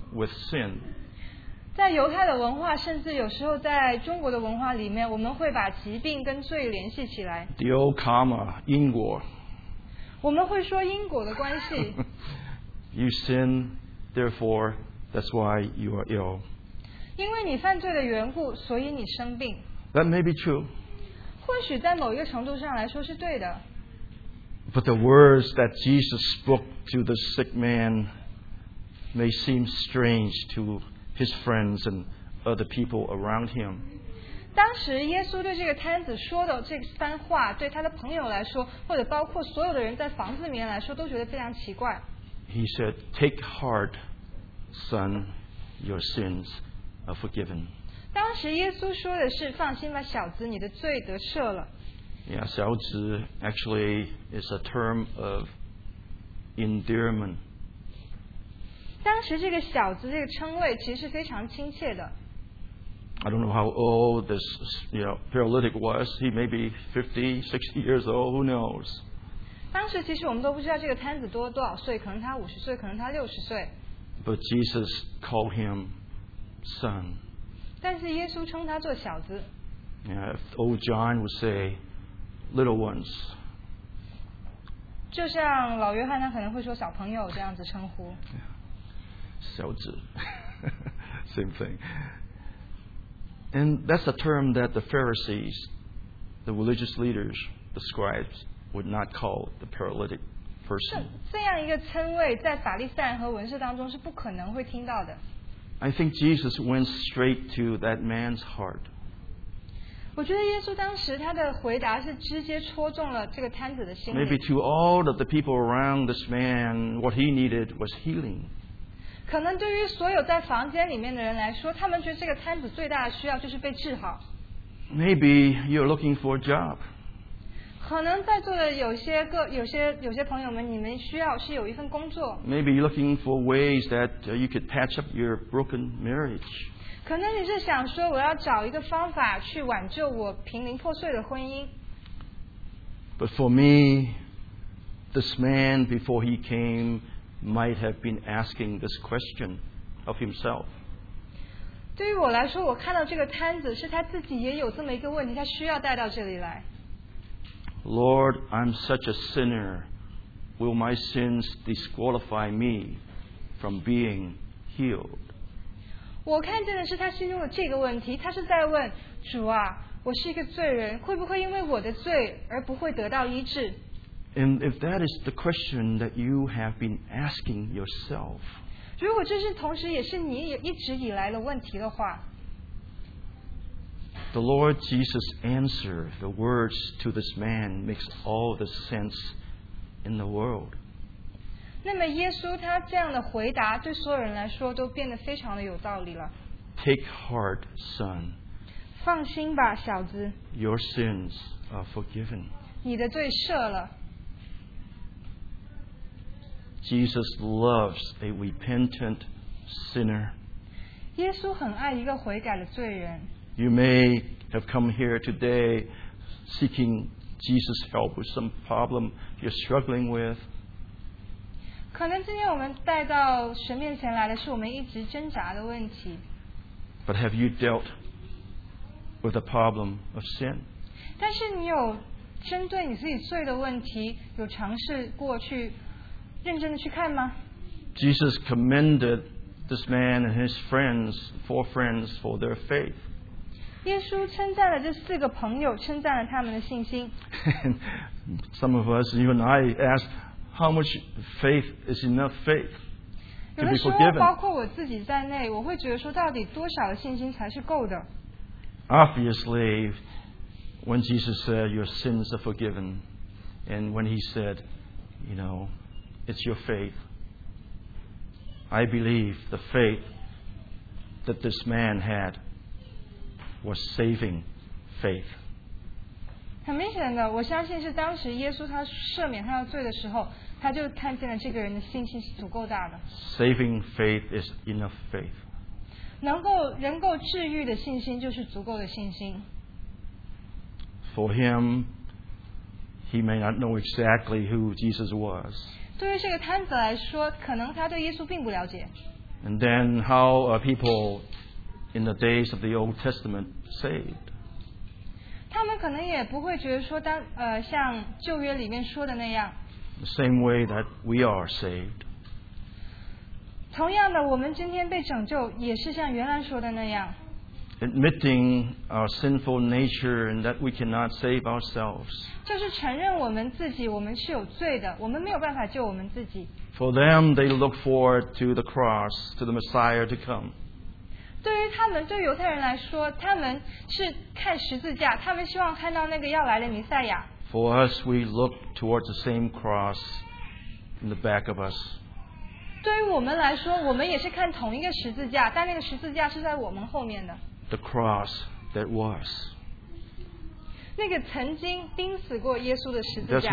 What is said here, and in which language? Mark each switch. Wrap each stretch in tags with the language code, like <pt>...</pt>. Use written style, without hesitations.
<en>With sin.</en> <zh>在犹太的文化，甚至有时候在中国的文化里面，我们会把疾病跟罪联系起来。</zh> <en>The old karma, 因果。</en> <zh>我们会说因果的关系。</zh> <en>You sin, therefore, that's why you are ill.</en> <zh>因为你犯罪的缘故，所以你生病。</zh> <en>That may be true.</en> <zh>或许在某一个程度上来说是对的。</zh> <en>But the words that Jesus spoke to the sick man may seem strange to his friends and other people around him.</en> <zh>当时耶稣对这个瘫子说的这番话，对他的朋友来说，或者包括所有的人在房子里面来说，都觉得非常奇怪。</zh> <en>He said, "Take heart, son, your sins are forgiven."</en> <zh>当时耶稣说的是，放心吧，小子，你的罪得赦了。</zh> <en>Yeah, 小子 actually is a term of endearment.</en> <zh>当时这个小子这个称谓其实是非常亲切的。</zh> <en>I don't know how old this, you know, paralytic was. He may be 50, 60 years old. Who knows?</en> <zh>当时其实我们都不知道这个瘫子多少岁，可能他50岁，可能他60岁。</zh> <en>But Jesus called him son.</en> <zh>但是耶稣称他做小子。</zh> <en>Yeah, if old John would say, little ones.</en> <zh>就像老约翰他可能会说小朋友这样子称呼。</zh> <en>小子。Same thing. And that's a term that the Pharisees, the religious leaders, the scribes, would not call the paralytic person.</en> <zh>这样一个称谓在法利赛人和文士当中是不可能会听到的。</zh> <en>I think Jesus went straight to that man's heart.</en> <zh>我觉得耶稣当时他的回答是直接戳中了这个瘫子的心灵。</zh> <en>Maybe to all of the people around this man, what he needed was healing.</en> <zh>可能对于所有在房间里面的人来说，他们觉得这个摊子最大的需要就是被治好。</zh> <en>Maybe you're looking for a job.</en> <zh>可能在座的有些朋友们，你们需要是有一份工作。</zh> <en>Maybe you're looking for ways that you could patch up your broken marriage.</en> <zh>可能你是想说，我要找一个方法去挽救我濒临破碎的婚姻。</zh> <en>But for me, this man before he came. Might have been asking this question of himself.</en> <zh>对于我来说，我看到这个摊子是他自己也有这么一个问题，他需要带到这里来。</zh> <en>Lord, I'm such a sinner. Will my sins disqualify me from being healed?</en> <zh>我看见的是他心中的这个问题，他是在问主啊，我是一个罪人，会不会因为我的罪而不会得到医治？</zh> <en>And if that is the question that you have been asking yourself,</en> <zh>如果这是同时也是你一直以来的问题的话</zh> <en>the Lord Jesus' answer, the words to this man, makes all the sense in the world.</en> <zh>那么耶稣他这样的回答对所有人来说都变得非常的有道理了</zh> <en>Take heart, son.</en> <zh>放心吧，小子</zh> <en>Your sins are forgiven.</en> <zh>你的罪赦了</zh> <en>Jesus loves a repentant sinner.</en> <zh>耶稣很爱一个悔改的罪人。</zh> <en>You may have come here today seeking Jesus' help with some problem you're struggling with.</en> <zh>可能今天我们带到神面前来的是我们一直挣扎的问题。</zh> <en>But have you dealt with the problem of sin?</en> <zh>但是你有针对你自己罪的问题，有尝试过去认真的去看吗?</zh> <en>Jesus commended this man and his friends, four friends, for their faith.</en> <zh>耶稣称赞了这四个朋友，称赞了他们的信心。</zh> <en>Some of us, even I, asked, how much faith is enough faith to be forgiven?</en> <zh>包括我自己在内，我会觉得说，到底多少的信心才是够的?</zh> <en>Obviously, when Jesus said, your sins are forgiven, and when he said, you know,It's your faith. I believe the faith that this man had was saving faith.</en> <zh>很明显的，我相信是当时耶稣他赦免他的罪的时候，他就看见了这个人的信心是足够大的。</zh> <en>Saving faith is enough faith.</en> <zh>能够治愈的信心就是足够的信心。</zh> <en>For him, he may not know exactly who Jesus was.</en> <zh>对于这个摊子来说，可能他对耶稣并不了解。</zh> <en>And then, how are people in the days of the Old Testament saved?</en> <zh>他们可能也不会觉得说当像旧约里面说的那样。</zh> <en>The same way that we are saved.</en> <zh>同样的，我们今天被拯救也是像原来说的那样。</zh> <en>Admitting our sinful nature and that we cannot save ourselves.</en> <zh>就是承认我们自己，我们是有罪的，我们没有办法救我们自己。</zh> <en>For them, they look forward to the cross, to the Messiah to come.</en> <zh>对于他们，对犹太人来说，他们是看十字架，他们希望看到那个要来的弥赛亚。</zh> <en>For us, we look towards the same cross in the back of us.</en> <zh>对于我们来说，我们也是看同一个十字架，但那个十字架是在我们后面的。</zh> <en>The cross that was.</en> <zh>那个曾经钉死过耶稣的十字架。</zh>